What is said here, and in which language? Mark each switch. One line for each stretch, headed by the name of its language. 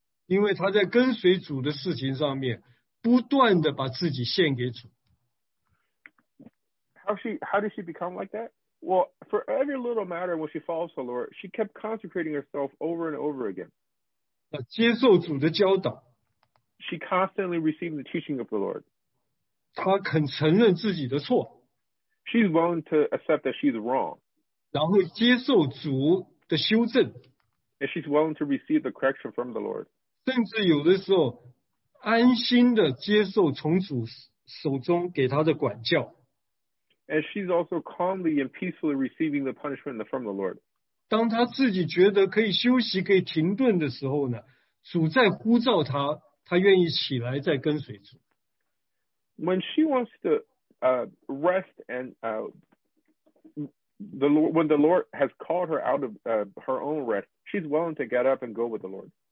Chinese: 因为她在跟随主的事情上面，不断地把自己献给主。
English: How did she become like that? Well, for every little matter when she follows the Lord, she kept consecrating herself over and over again.
Chinese: 接受主的教导,
English: she constantly received the teaching of the Lord.
Chinese: 她肯承认自己的错,
English: she's willing to accept that she's wrong.
Chinese: 然后接受主的修正,
English: and she's willing to receive the correction from the Lord.
Chinese: 甚至有的时候安心地接受从主手中给她的管教。
English: And she's also calmly and peacefully receiving the punishment from the Lord.
Chinese: 当她自己觉得可以休息、可以停顿的时候呢, 主在呼召她，她愿意起来再跟随主。
English: When she wants to rest and when the Lord has called her out of her own rest, she's willing to get up and go with the Lord.